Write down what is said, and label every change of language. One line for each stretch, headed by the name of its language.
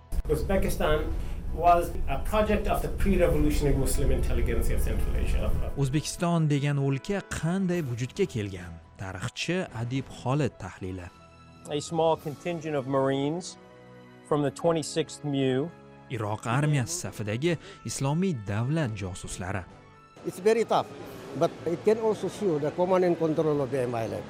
English: Uzbekistan was a project of the pre-revolutionary Muslim intelligentsia of Central Asia.
Uzbek: O'zbekiston degan o'lka qanday vujudga kelgan? Tarixchi Adib Xolid tahlili.
English: A small contingent of Marines from the 26th MU.
Uzbek: Iroq armiyasi safidagi islomiy davlat josuslari.
English: It's very tough. But it can also show the command and control of the MLA.